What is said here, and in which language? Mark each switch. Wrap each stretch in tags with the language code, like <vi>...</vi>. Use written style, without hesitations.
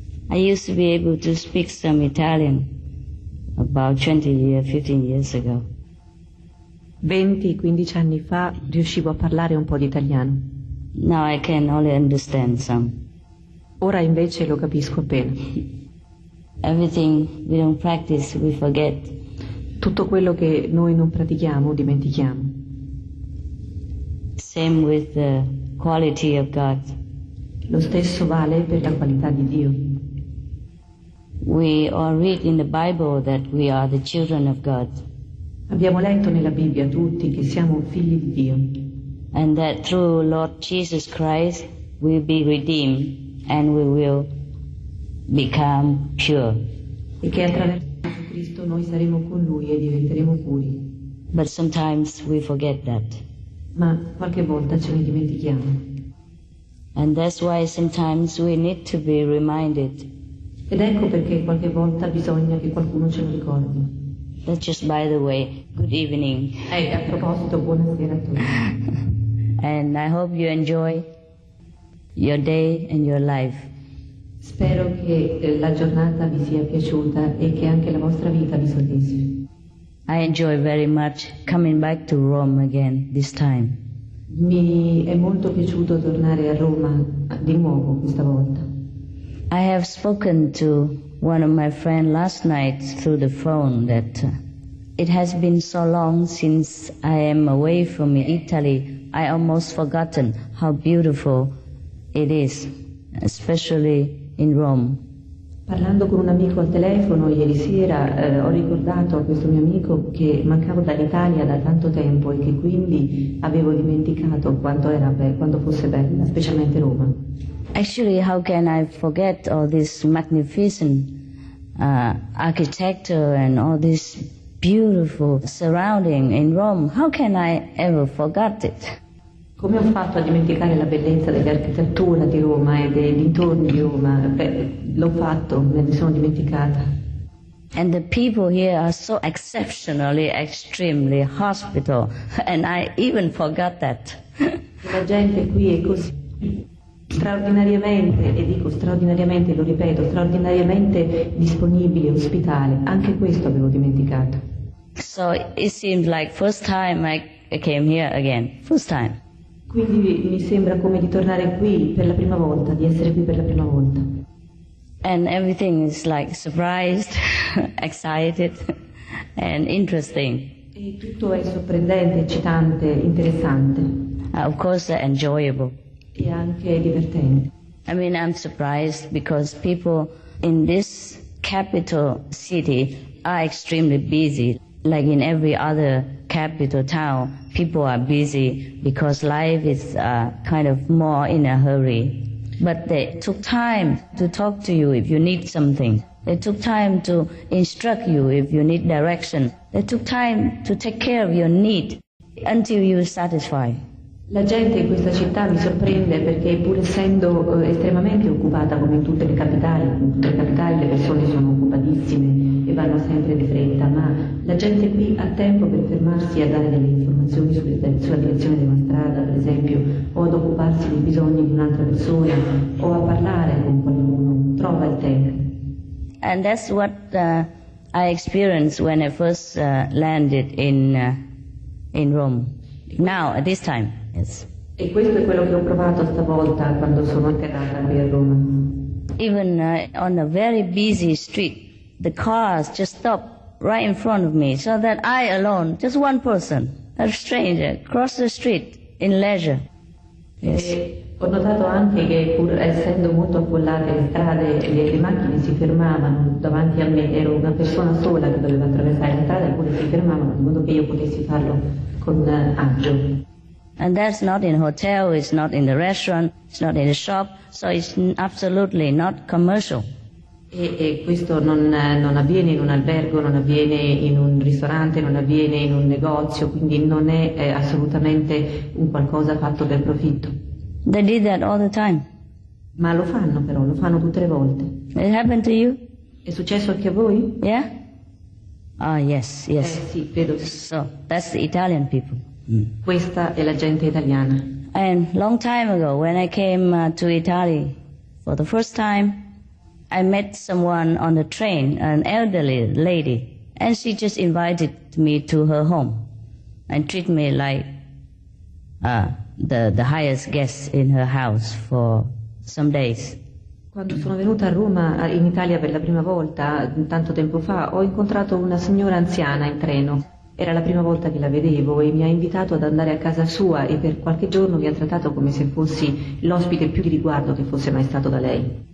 <en>I used to be able to speak some Italian about 20 years, 15 years ago.</en> <it>20-15 anni fa riuscivo a parlare un po' di italiano.</it> <en>No, I can only understand some.</en> <it>Ora invece lo capisco appena.</it> <en>Everything we don't practice, we forget.</en> <it>Tutto quello che noi non pratichiamo, dimentichiamo.</it> <en>Same with the quality of God.</en> <it>Lo stesso vale per la qualità di Dio.</it> <en>We all read in the Bible that we are the children of God.</en> <it>Abbiamo letto nella Bibbia tutti che siamo figli di Dio.</it> <en>And that through Lord Jesus Christ we'll be redeemed and we will become pure.</en> <it>E che attraverso Cristo noi saremo con Lui e diventeremo puri.</it> <en>But sometimes we forget that.</en> <it>Ma qualche volta ce ne dimentichiamo.</it> <en>And that's why sometimes we need to be reminded.</en> <it>Ed ecco perché qualche volta bisogna che qualcuno ce lo ricordi.</it> <en>That's just by the way, good evening.</en> <it>Hey, a proposito, buonasera a tutti.</it> <en>And I hope you enjoy your day and your life.</en> <it>Spero che la giornata vi sia piaciuta e che anche la vostra vita vi soddisfi.</it> <en>I enjoy very much coming back to Rome again this time.</en> <it>Mi è molto piaciuto tornare a Roma di nuovo questa volta.</it> <en>I have spoken to one of my friends last night through the phone that it has been so long since I am away from Italy, I almost forgotten how beautiful it is, especially in Rome.</en> <it>Parlando con un amico al telefono ieri sera, ho ricordato a questo mio amico che mancavo dall'Italia da tanto tempo e che quindi avevo dimenticato quanto era quanto fosse bella, specialmente Roma.</it> <en>Actually, how can I forget all this magnificent architecture and all this beautiful surrounding in Rome? How can I ever forget it?</en> <it>Come ho fatto a dimenticare la bellezza dell'architettura di Roma e dei dintorni di Roma? Beh, l'ho fatto, me ne sono dimenticata.</it> <en>And the people here are so exceptionally, extremely hospitable, and I even forgot that.</en> <it>La gente qui è così straordinariamente, e dico straordinariamente, lo ripeto, straordinariamente disponibile, ospitale. Anche questo avevo dimenticato.</it> <en>So it seemed like first time I came here again, first time.</en> <it>Quindi mi sembra come di tornare qui per la prima volta, di essere qui per la prima volta.</it> <en>And everything is like surprised, excited and interesting.</en> <it>E tutto è sorprendente, eccitante, interessante.</it> <en>Of course enjoyable.</en> <it>E anche divertente.</it> <en>I mean I'm surprised because people in this capital city are extremely busy. Like in every other capital town, people are busy because life is kind of more in a hurry. But they took time to talk to you if you need something. They took time to instruct you if you need direction. They took time to take care of your need until you are satisfied.</en> <it>La gente in questa città mi sorprende perché pur essendo estremamente occupata come in tutte le capitali le persone sono occupatissime e vanno sempre di fretta, ma la gente qui ha tempo per fermarsi a dare delle informazioni sulla direzione della strada, per esempio, o ad occuparsi dei bisogni di un'altra persona o a parlare con qualcuno, trova il tempo.</it> <en>And that's what I experienced when I first landed in Rome. Now, at this time.</en> <it>E questo è quello che ho provato stavolta quando sono atterrata qui a Roma.</it> <en>Even on a very busy street, the cars just stop right in front of me, so that I alone, just one person, a stranger, cross the street in leisure. Yes.</en> <it>Ho notato anche che pur essendo molto affollate le strade, le macchine si fermavano davanti a me. Ero una persona sola che doveva attraversare la strada, eppure si fermavano in modo che io potessi farlo con agio.</it> <en>And that's not in hotel, it's not in the restaurant, it's not in the shop, so it's absolutely not commercial.</en> <it>E questo non avviene in un albergo, non avviene in un ristorante, non avviene in un negozio, quindi non è assolutamente un qualcosa fatto per profitto.</it> <en>They did that all the time.</en> <it>Ma lo fanno però, lo fanno tutte le volte.</it> <en>It happened to you?</en> <it>È successo anche a voi?</it> <en>Yeah? Ah, yes, yes.</en> <it>Sì, vedo.</it> <en>So, that's the Italian people.</en> <it>Questa è la gente italiana.</it> <en>And long time ago, when I came to Italy for the first time, I met someone on the train, an elderly lady, and she just invited me to her home. and treat me like the highest guest in her house for some days.</en> <it>Quando sono venuta a Roma, in Italia per la prima volta, tanto tempo fa, ho incontrato una signora anziana in treno. Era la prima volta che la vedevo e mi ha invitato ad andare a casa sua e per qualche giorno mi ha trattato come se fossi l'ospite più di riguardo che fosse mai stato da lei.</it>